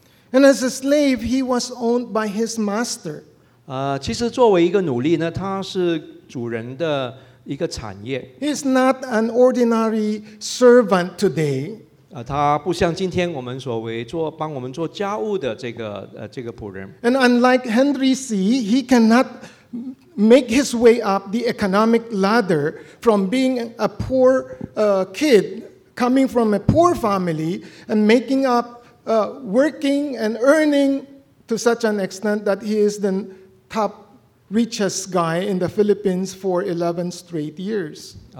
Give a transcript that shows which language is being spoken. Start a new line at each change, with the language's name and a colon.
English: And as a slave, he was owned by his master.
Chinese: 其实作为一个奴隶呢，他是主人的。
English: He's not an ordinary servant today.
Chinese: 他不像今天我们所谓做帮我们做家务的这个仆人。
English: And unlike Henry C., he cannot make his way up the economic ladder from being a poor kid coming from a poor family and making up working and earning to such an extent that he is the top richest guy in the Philippines for 11 straight years.